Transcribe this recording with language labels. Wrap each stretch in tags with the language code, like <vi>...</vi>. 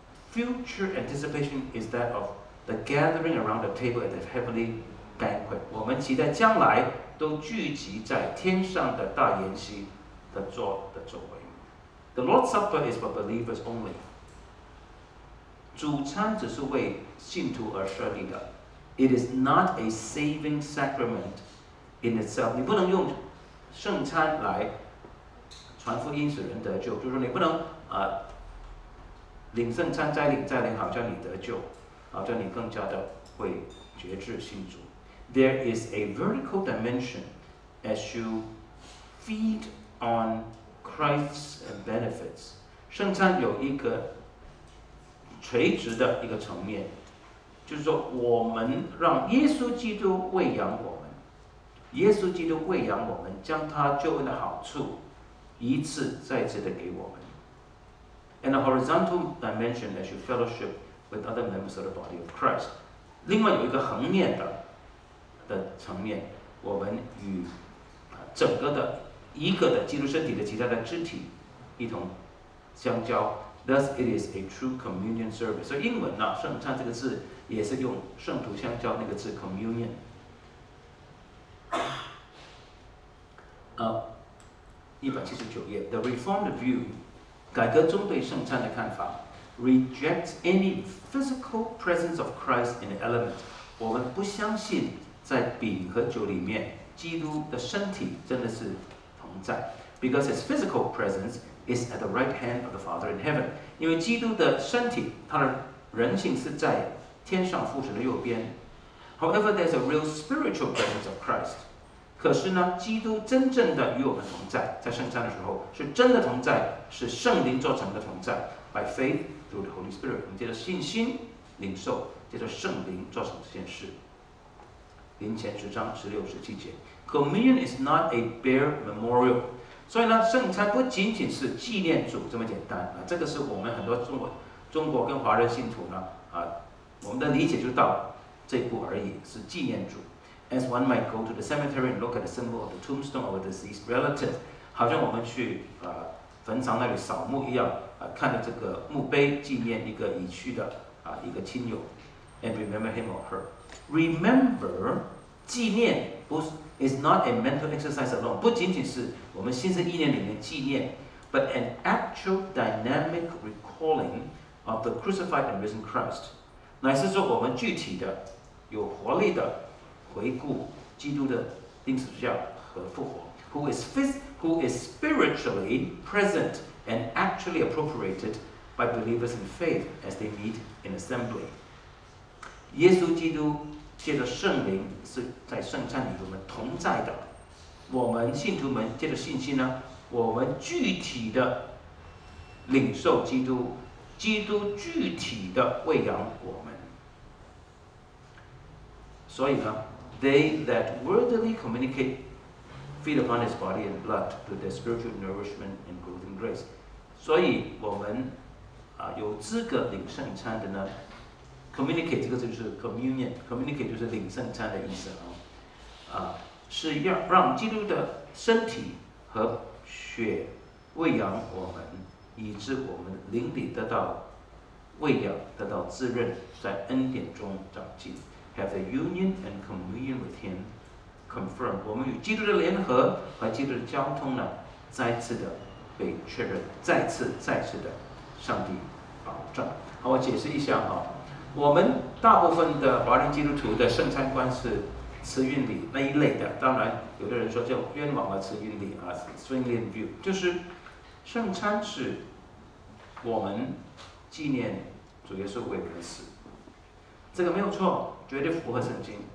<en>Future anticipation is that of the gathering around the table at the heavenly banquet.</en> <zh>我们期待将来都聚集在天上的大筵席的座的周围。</zh> <en>The Lord's Supper is for believers only.</en> <zh>主餐只是为信徒而设立的。</zh> <en>It is not a saving sacrament in itself.</en> <zh>你不能用圣餐来传福音使人得救，就是你不能领圣餐再领再领，好像你得救，好像你更加的会觉知信主。</zh> <en>There is a vertical dimension as you feed on Christ's benefits.</en> <zh>圣餐有一个垂直的一个层面，就是说我们让耶稣基督喂养我们，耶稣基督喂养我们，将他救恩的好处一次再次的给我们。</zh> <en>And a horizontal dimension as you fellowship with other members of the body of Christ.</en> <zh>另外有一个横面的层面，我们与整个的一个的基督身体的其他的肢体一同相交。</zh> <en>Thus it is a true communion service.</en> <zh>所以英文呢，圣餐这个字也是用圣徒相交那个字 communion。 179页</zh> <en>The Reformed view</en> <zh>改革中对圣餐的看法</zh> <en>rejects any physical presence of Christ in the element.</en> <zh>我们不相信在饼和酒里面基督的身体真的是同在</zh> <en>because his physical presence is at the right hand of the Father in heaven.</en> <zh>因为基督的身体他的人性是在天上父神的右边</zh> <en>However, there's a real spiritual presence of Christ.</en> <zh>可是呢，基督真正的与我们同在，在圣餐的时候是真的同在，是圣灵做成的同在。</zh> <en>By faith through the Holy Spirit，</en> <zh>我们借着信心领受，借着圣灵做成这件事。林前十章十六、十七节</zh> <en>，Communion is not a bare memorial，</en> <zh>所以呢，圣餐不仅仅是纪念主这么简单啊。这个是我们很多中国跟华人信徒呢啊，我们的理解就到这一步而已，是纪念主。</zh> <en>As one might go to the cemetery and look at the symbol of the tombstone of a deceased relative,</en> <zh>好像我们去坟场那里扫墓一样，看着这个墓碑纪念一个已去的一个亲友</zh> <en>，and remember him or her. Remember,</en> <zh>纪念不是</zh> <en>is not a mental exercise alone.</en> <zh>不仅仅是我们心思意念里面纪念</zh> <en>，but an actual dynamic recalling of the crucified and risen Christ.</en> <zh>乃是说我们具体的有活力的。回顾基督的钉十字架和复活</zh> <en>who is spiritually present and actually appropriated by believers in faith as they meet in assembly.</en> <zh>耶稣基督借着圣灵是在圣餐与我们同在的。我们信徒们借着信心呢，我们具体的领受基督，基督具体的喂养我们。所以呢。</zh> <en>They that worthily communicate feed upon his body and blood to their spiritual nourishment and growth in grace.</en> <zh>所以我们有资格领圣餐的呢 ，communicate 这个就是 communion，communicate 就是领圣餐的意思啊。是要让基督的身体和血喂养我们，以致我们灵里得到喂养，得到滋润，在恩典中长进。</zh> <en>Have the union and communion with him confirmed.</en> <zh>我们与基督的联合和基督的交通呢，再次的被确认，再次的上帝保证。好，我解释一下哈，我们大部分的华人基督徒的圣餐观是慈运礼那一类的。当然，有的人说叫冤枉的慈运礼啊 ，Swinglian view， 就是圣餐是我们纪念主耶稣为我们死，这个没有错。绝对符合圣经。</zh>